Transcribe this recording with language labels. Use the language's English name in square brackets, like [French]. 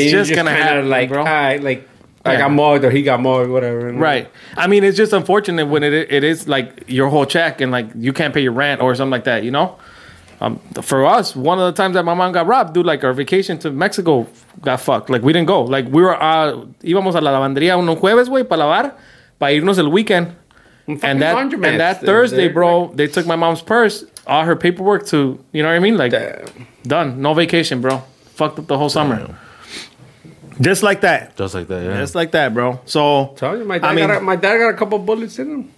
[English] it's just going to happen, like, bro. I got mugged or he got mugged, whatever. And right. Like, I mean, it's just unfortunate when it is like your whole check and like you can't pay your rent or something like that, you know? For us, one of the times that my mom got robbed, dude, like our vacation to Mexico got fucked. Like we didn't go. Like we were, [Spanish] íbamos a la lavandería un jueves, güey, para lavar, para irnos el weekend. [English] And that Thursday, bro, they took my mom's purse, all her paperwork to, you know what I mean? Like, damn. Done. No vacation, bro. Fucked up the whole summer. Damn. Just like that. Just like that, yeah. Just like that, bro. So, tell you, my dad got a couple bullets in him.